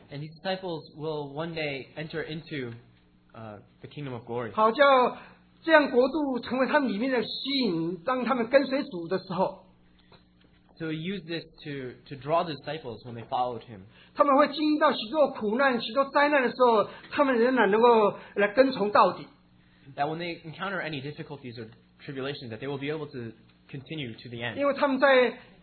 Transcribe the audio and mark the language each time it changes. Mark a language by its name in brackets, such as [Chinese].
[English] And his disciples will one day enter into the kingdom of glory. [Chinese] 好叫这样国度成为他们里面的吸引，当他们跟随主的时候. [English] So he used this to draw the disciples when they followed him. [Chinese] 他们会经历到许多苦难、许多灾难的时候，他们仍然能够来跟从到底. [English] That when they encounter any difficulties or tribulations, that they will be able to continue to the end.